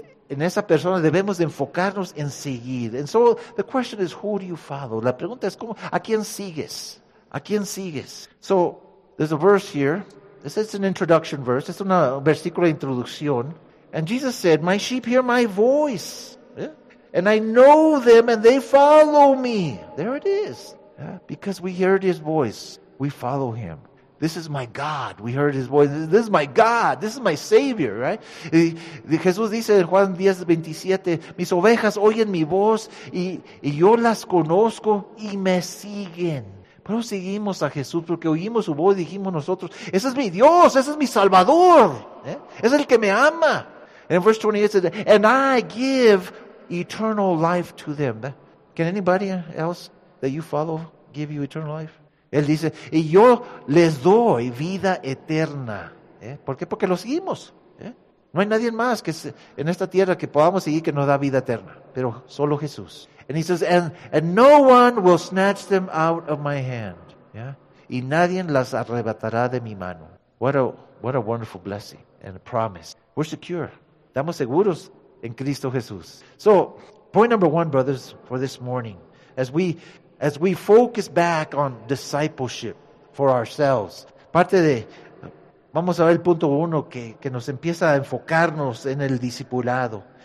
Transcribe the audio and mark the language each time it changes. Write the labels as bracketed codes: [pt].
[es] En esa persona debemos de enfocarnos en seguir. [en] And so the question is, who do you follow? [es] La pregunta es, ¿a quién sigues? ¿A quién sigues? [en] So there's a verse here. It's an introduction verse. It's a [es] versículo de introducción. [en] And Jesus said, my sheep hear my voice. Yeah? And I know them and they follow me. There it is. Yeah? Because we heard his voice, we follow him. This is my God. We heard his voice. This is my God. This is my Savior, right? [es] Jesús dice en Juan 10:27, mis ovejas oyen mi voz y yo las conozco y me siguen. Pero seguimos a Jesús porque oímos su voz y dijimos nosotros, ese es mi Dios, ese es mi Salvador, ¿eh? Es el que me ama. [en] And verse 28 says, and I give eternal life to them. Can anybody else that you follow give you eternal life? [es] Él dice, y yo les doy vida eterna. ¿Eh? ¿Por qué? Porque lo seguimos. ¿Eh? No hay nadie más que en esta tierra que podamos seguir que nos da vida eterna, pero solo Jesús. [en] And he says, and no one will snatch them out of my hand. ¿Yeah? [es] Y nadie las arrebatará de mi mano. [en] What a wonderful blessing and a promise. We're secure. [es] Estamos seguros en Cristo Jesús. [en] So, point number one, brothers, for this morning, as we focus back on discipleship for ourselves, [es] parte de, vamos a ver el punto uno que nos empieza a enfocarnos en el discipulado.